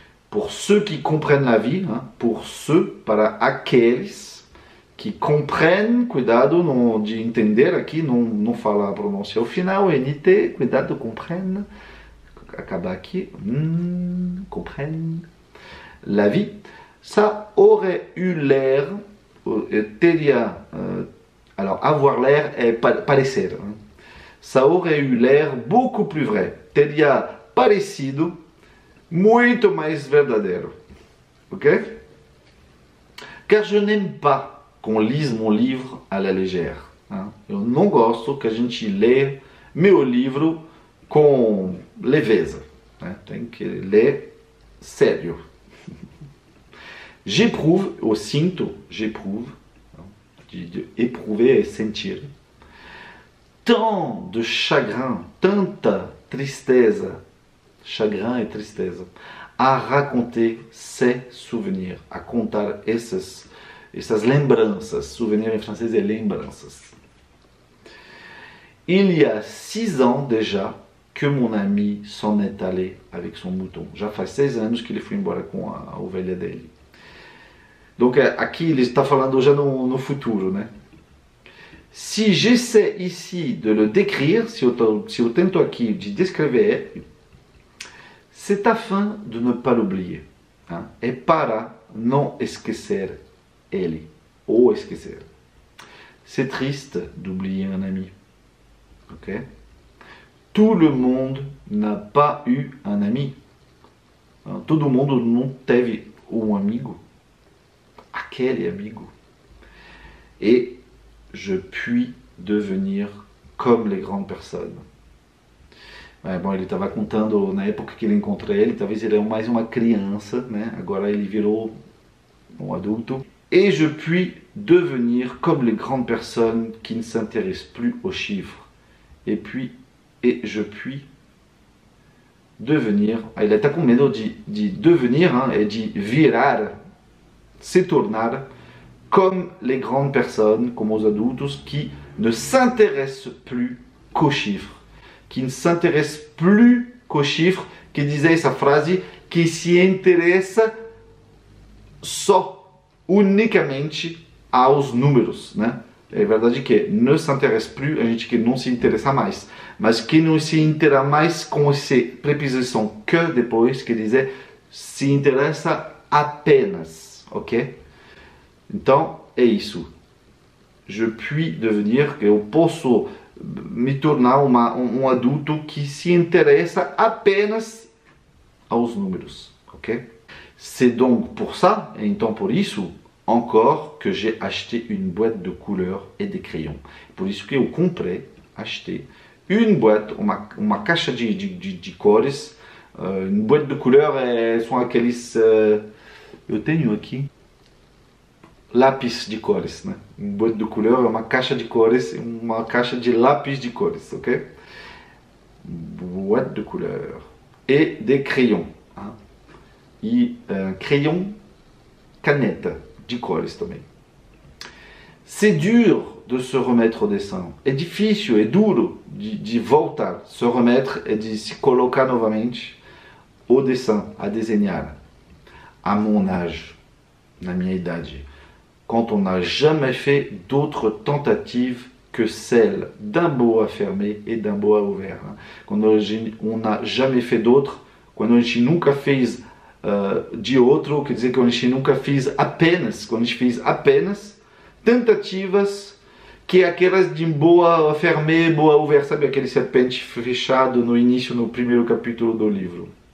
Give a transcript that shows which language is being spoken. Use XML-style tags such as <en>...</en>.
<fr>Pour ceux qui comprennent la vie, hein, pour ceux,</fr> <pt>para aqueles que</pt> <fr>comprennent,</fr> <pt>cuidado no, de entender aqui, não fala a pronúncia ao final,</pt> <fr>NT, cuidado, comprennent,</fr> <pt>acabar aqui,</pt> <fr>comprennent, la vie, ça aurait eu l'air,</fr> <pt>teria,</pt> <fr>alors avoir l'air est</fr> <pt>parecer,</pt> <fr>hein. Ça aurait eu l'air beaucoup plus vrai,</fr> <pt>teria parecido, muito mais verdadeiro.</pt> <fr>Ok? Car je n'aime pas qu'on lise mon livre à la légère. Hein?</fr> <pt>Eu não gosto que a gente leia meu livro com leveza. Né? Tem que ler sério.</pt> <fr>J'éprouve,</fr> <pt>ou sinto,</pt> <fr>j'éprouve, de éprouver</fr> <pt>é sentir,</pt> <fr>tant de chagrin,</fr> <pt>tanta tristeza.</pt> <fr>Chagrin et tristesse, à raconter ses souvenirs,</fr> <pt>à contar essas lembranças.</pt> <fr>Souvenirs en français est</fr> <pt>lembranças.</pt> <fr>Il y a 6 ans déjà que mon ami s'en est allé avec son mouton.</fr> <pt>Já faz 6 anos que ele foi embora com a ovelha dele. Donc, aqui ele está falando já no futuro, né?</pt> <fr>Si j'essaie ici de le décrire,</fr> <pt>si eu tento aqui de descrever,</pt> <fr>c'est afin de ne pas l'oublier. Hein?</fr> <pt>É para não esquecer ele. Ou esquecer.</pt> <fr>C'est triste d'oublier un ami. Ok? Tout le monde n'a pas eu un ami.</fr> <pt>Todo mundo não teve um amigo. Aquele amigo.</pt> <fr>Et je puis devenir comme les grandes personnes.</fr> <pt>Bom, ele estava contando na época que ele encontrou ele, talvez ele era mais uma criança, né? Agora ele virou um adulto.</pt> <fr>Et je puis devenir comme les grandes personnes qui ne s'intéressent plus aux chiffres. Et je puis devenir.</fr> <pt>Ah, ele está com medo de devenir, hein? É de virar, se tornar.</pt> <fr>Comme les grandes personnes, comme aux adultes, qui ne s'intéressent plus qu'aux chiffres. Qui ne s'intéressent plus qu'aux chiffres, qui disait sa phrase,</fr> <pt>qui se intéresse só, unicamente, aos números, né? É verdade que ne s'intéresse plus, a gente que não se interessa mais. Mas que não se intéresse mais com essa preposição que depois, que dizer se interessa apenas, ok? Então, é isso.</pt> <fr>Je puis devenir,</fr> <pt>que eu posso me tornar um adulto que se interessa apenas aos números, ok?</pt> <fr>C'est donc pour ça,</fr> <pt>então por isso,</pt> <fr>encore que j'ai acheté une boîte de couleurs et des crayons.</fr> <pt>Por isso que eu comprei, achetei,</pt> <fr>une boîte,</fr> <pt>uma caixa de cores.</pt> <fr>Une boîte de couleurs</fr> <pt>são aqueles. Eu tenho aqui. Lápis de cores, né? Um boîte de couleurs é uma caixa de cores, uma caixa de lápis de cores, ok?</pt> <fr>Boîte de couleurs. Et des crayons. Hein?</fr> <pt>E crayon, caneta de cores também.</pt> <fr>C'est dur de se remettre au dessin.</fr> <pt>É difícil, é duro de voltar,</pt> <fr>se remettre</fr> <pt>e de se colocar novamente</pt> <fr>au dessin,</fr> <pt>a desenhar.</pt> <fr>À mon âge,</fr> <pt>na minha idade.</pt> <fr>Quand on n'a jamais fait d'autres tentatives que celle d'un bois fermé et d'un bois ouvert. Quand on n'a jamais fait d'autres,</fr> <pt>quando a gente nunca fez de outro, quer dizer que a gente nunca fez apenas, quando a gente fez apenas tentativas que aquelas de</pt> <fr>bois fermé, bois ouvert,</fr> <pt>sabe aquele serpente fechado no início, no primeiro capítulo do livro.</pt>